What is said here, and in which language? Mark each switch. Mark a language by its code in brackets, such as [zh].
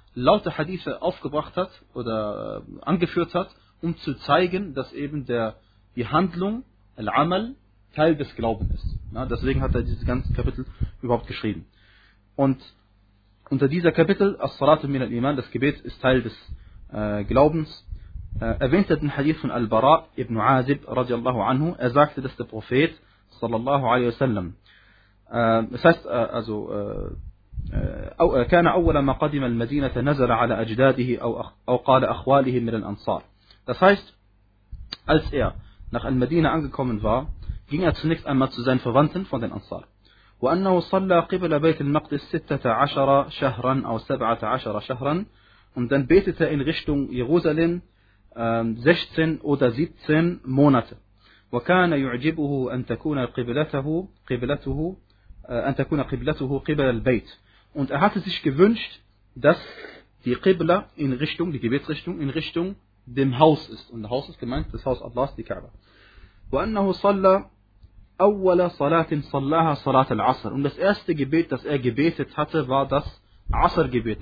[de] laute Hadithe aufgebracht hat oder angeführt hat, um zu zeigen, dass eben die Handlung, Al-Amal, Teil des Glaubens ist. Ja, deswegen hat er dieses ganze Kapitel überhaupt geschrieben. Und unter dieser Kapitel, As-Salatu min al-Iman, das Gebet ist Teil des Glaubens, erwähnt er den Hadith von Al-Bara ibn Azib, radiallahu anhu. Er sagte, dass der Prophet, sallallahu alaihi wasallam, [ar] كان أول ما قدم المدينة نزل على أجداده أو قال أخواله من الأنصار. [de] Das heißt, als er nach المدينة angekommen war, ging er zunächst einmal zu seinen Verwandten von den Ansar. [ar] وأنه صلى قبل بيت المقدس 16 شهرا أو 17 شهرا. [de] Und dann betete in Richtung Jerusalem 16 oder 17 Monate. [ar] وكان يعجبه أن تكون قبلته أن تكون قبلته قبل البيت. [de] Und er hatte sich gewünscht, dass die Qibla in Richtung, die Gebetsrichtung, in Richtung dem Haus ist. Und das Haus ist gemeint, das Haus Allahs, die Kaaba. [ar] وَأَنَّهُ صَلَّى أَوَّلَ صَلَاةٍ صَلَّاهَا صَلَاةَ الْعَصَرِ. [de] Und das erste Gebet, das er gebetet hatte, war das Asr-Gebet.